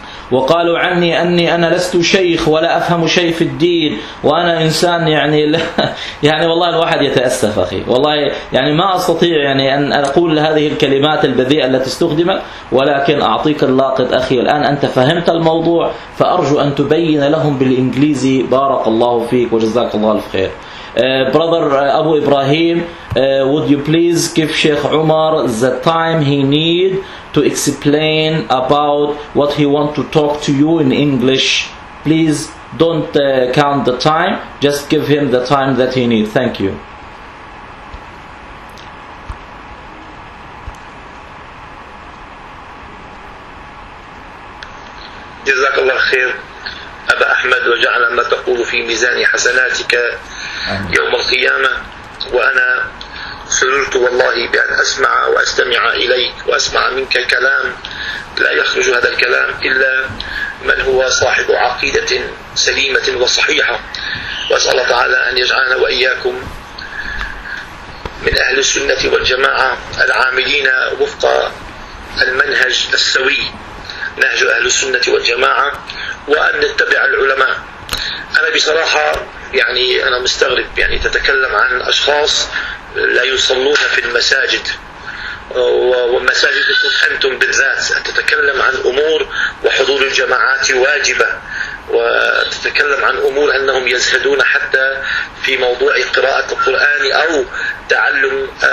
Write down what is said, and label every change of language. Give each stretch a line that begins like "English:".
Arabic: وقالوا عني أني أنا لست شيخ ولا أفهم شيء في الدين، وأنا إنسان يعني لا يعني والله الواحد يتأسف أخي، والله يعني ما أستطيع يعني أن أقول هذه الكلمات البذيئة التي استخدمت، ولكن أعطيك اللاقط أخي الآن، أنت فهمت الموضوع، فأرجو أن تبين لهم بالإنجليزي، بارك الله فيك وجزاك الله الف خير.
English: Brother Abu Ibrahim, would you please give Sheikh Umar the time he need to explain about what he want to talk to you in English? Please Don't count the time, just give him the time that he needs. Thank you.
Arabic: Jazakallah khair, Aba Ahmad, wa ja'ala ma taqulu fi mizani hasanatika yawm al-qiyamah, wa ana sururtu wallahi bi an asma'a wa astami'a ilayk wa asma'a minka kalam la yakhruj hadha al-kalam illa من هو صاحب عقيدة سليمة وصحيحة وأسأل الله تعالى أن يجعلنا وإياكم من أهل السنة والجماعة العاملين وفق المنهج السوي نهج أهل السنة والجماعة وأن نتبع العلماء. أنا بصراحة يعني أنا مستغرب يعني تتكلم عن أشخاص لا يصلون في المساجد ومساجدكم أنتم بالذات تتكلم عن أمور وحضور الجماعات واجبة وتتكلم عن أمور أنهم يزهدون حتى في موضوع قراءة القرآن أو تعلم